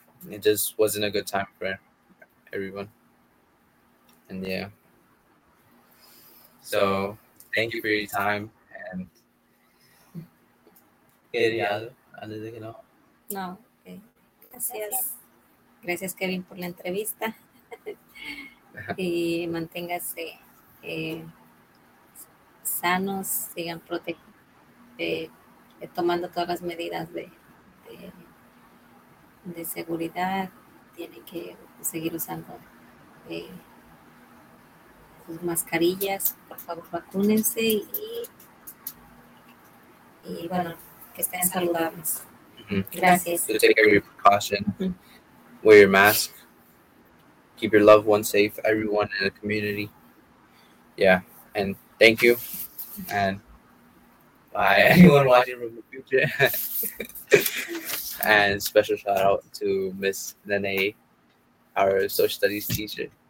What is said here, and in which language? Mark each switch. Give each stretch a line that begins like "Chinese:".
English: It just wasn't a good time for everyone. And yeah. So thank you for your time.
Spanish: And ¿quería antes de que no? No, okay. Gracias. Gracias, Kevin, por la entrevista. Y manténgase sanos, sigan tomando todas las medidas de seguridad. Tienen que seguir usando sus mascarillas. Por favor, vacúnense y bueno, que estén saludables. Gracias.
English: So take every precaution. Wear your mask. Keep your loved ones safe, everyone in the community. Yeah, and thank you. And bye, anyone watching from the future. And special shout out to Miss Nene, our social studies teacher.